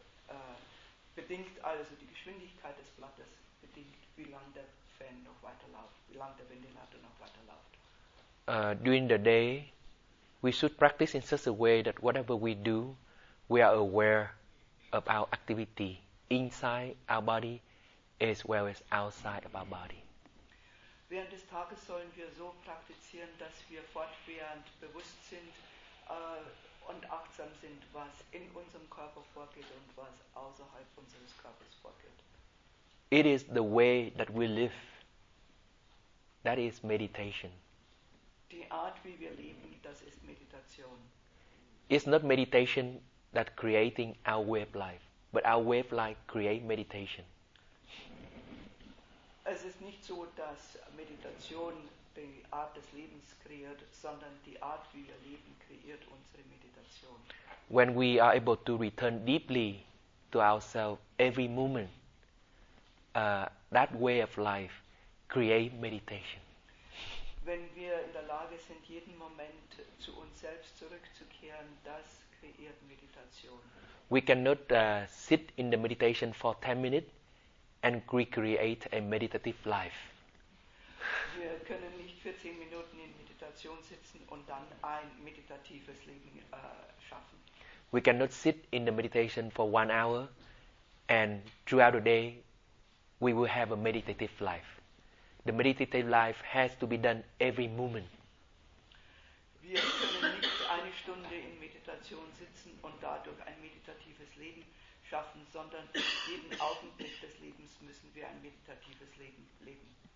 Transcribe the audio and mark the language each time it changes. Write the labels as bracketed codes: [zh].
[de] Es bedingt also die Geschwindigkeit des Blattes, bedingt, wie lang der Fan noch weiterläuft, wie lang der Ventilator noch weiterläuft. [en] During the day, we should practice in such a way that whatever we do, we are aware of our activity inside our body as well as outside of our body. [de] Während des Tages sollen wir so praktizieren, dass wir fortwährend bewusst sind und achtsam sind, was in unserem Körper vorgeht und was außerhalb unseres Körpers vorgeht. [en] It is the way that we live. That is meditation. [de] Die Art, wie wir leben, das ist Meditation. [en] It's not meditation that creating our way of life, but our way of life create meditation. [de] Es ist nicht so, dass Meditation die Art des Lebens kreiert, sondern die Art, wie wir leben, kreiert unsere Meditation. [en] When we are able to return deeply to ourselves every moment, that way of life creates meditation. [de] Wenn wir in der Lage sind, jeden Moment zu uns selbst zurückzukehren, das kreiert Meditation. [en] We cannot sit in the meditation for 10 minutes and recreate a meditative life. [de] Wir können nicht 14 Minuten in Meditation sitzen und dann ein meditatives Leben schaffen. [en] We cannot sit in the meditation for 1 hour and throughout the day we will have a meditative life. The meditative life has to be done every moment. [de] Wir können nicht eine Stunde in Meditation sitzen und dadurch ein meditatives Leben schaffen, sondern jeden Augenblick des Lebens müssen wir ein meditatives Leben leben.